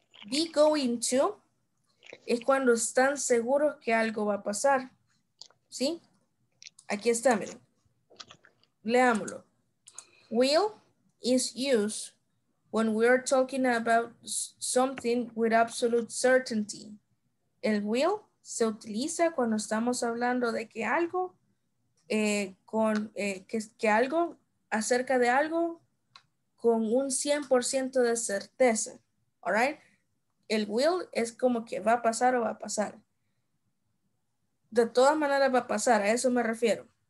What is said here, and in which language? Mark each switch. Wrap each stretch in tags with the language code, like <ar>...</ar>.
<es>Be going to es cuando están seguros que algo va a pasar. ¿Sí? Aquí está, miren. Leámoslo.</es> <en>Will is used when we are talking about something with absolute certainty.</en> <es>El will se utiliza cuando estamos hablando de que algo que algo acerca de algo con un 100% de certeza,</es> <en>all right?</en> <es>El will es como que va a pasar o va a pasar. De todas maneras va a pasar, a eso me refiero.</es>